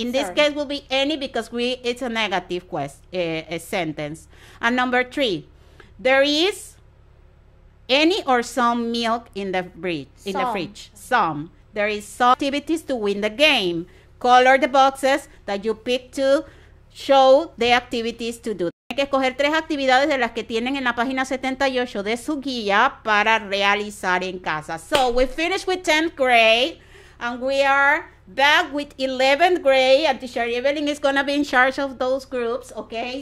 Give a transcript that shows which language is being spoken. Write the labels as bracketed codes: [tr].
[en] In this case will be any because it's a negative sentence. And number three, there is any or some milk in the fridge. Some. There is some activities to win the game. Color the boxes that you pick to show the activities to do. [es] Tienes que escoger tres actividades de las que tienen en la página 78 de su guía para realizar en casa. [en] So, we finished with 10th grade and we are back with 11th grade and teacher Evelyn is going to be in charge of those groups, okay?